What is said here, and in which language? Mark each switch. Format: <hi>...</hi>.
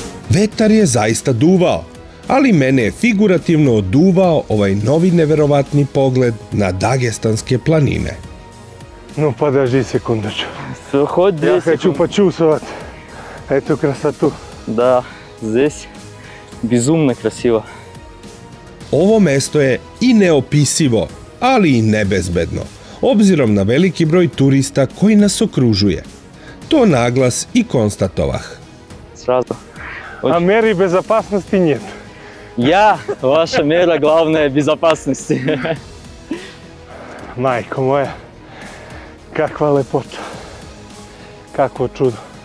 <sr>Ветер je zaista duvao, ali mene je figurativno oduvao ovaj novi neverovatni pogled na dagestanske planine.</sr> <ru>Ну, подожди секундочку. Все, хоть 10. Я хочу почувствовать эту красоту. Да, здесь безумно красиво.</ru> <sr>Ово место е и неописиво, али и небезбедно, обзиром на велики број туриста који нас окружује. То наглас и констатовах.</sr> <ru>Сразу. А мери безопасности нет. Я, ваша мера главная безопасности.</ru> <sr>Майко моя. Kakva lepota, kakvo čudo.</sr>